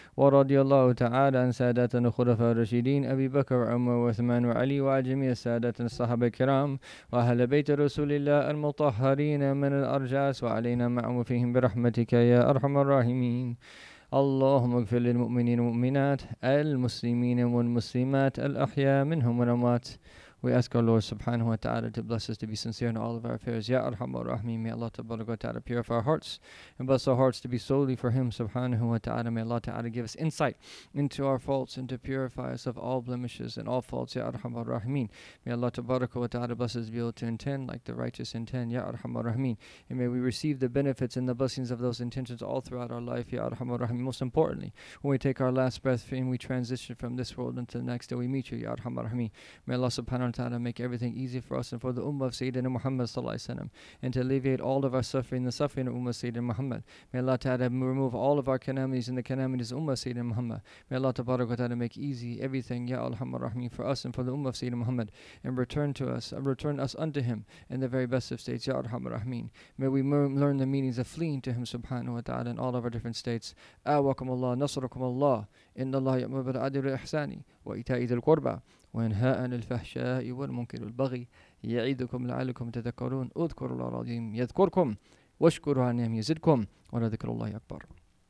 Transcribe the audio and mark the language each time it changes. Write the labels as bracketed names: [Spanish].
[Arabic] ورضي الله تعالى عن ساداتنا الخلفاء الراشدين أبي بكر وعمر وعثمان وعلي وعلى جميع ساداتنا الصحابة الكرام وأهل بيت رسول الله المطهرين من الأرجاس وعلينا معهم فيهم برحمتك يا أرحم الراحمين. اللهم اغفر للمؤمنين والمؤمنات المسلمين والمسلمات الأحياء منهم والأموات [English] We ask our Lord subhanahu wa ta'ala to bless us to be sincere in all of our affairs. Ya arhamar rahmeen, may Allah tabarak wa ta'ala purify our hearts and bless our hearts to be solely for Him subhanahu wa ta'ala. May Allah ta'ala give us insight into our faults and to purify us of all blemishes and all faults. Ya arhamar rahmeen, may Allah tabarak wa ta'ala bless us to be able to intend like the righteous intend. Ya arhamar rahmeen, and may we receive the benefits and the blessings of those intentions all throughout our life. Ya arhamar rahmeen, most importantly, when we take our last breath and we transition from this world into the next, that we meet You. Ya arhamar rahmeen, may Allah subhanahu wa ta'ala make everything easy for us and for the Ummah of Sayyidina Muhammad sallallahu alayhi wa sallam, and to alleviate all of our suffering, the suffering of Ummah Sayyidina Muhammad. May Allah ta'ala remove all of our calamities and the calamities of Ummah Sayyidina Muhammad. May Allah ta'ala make easy everything, Ya Alhamar Rahmi, for us and for the Ummah of Sayyidina Muhammad, and return us unto Him in the very best of states, Ya Alhamar Rahmi. May we learn the meanings of fleeing to Him subhanahu wa ta'ala in all of our different states. [Arabic] A'waqam Allah, Nasrakum Allah, Inna Allah ya'mur bil adli wal ihsani wa ita'i dhil qurba وانهاء عن الفحشاء والمنكر والبغي يعيدكم لعلكم تذكرون اذكروا الله العظيم يذكركم واشكروا على نعمه يزدكم ولذكر الله اكبر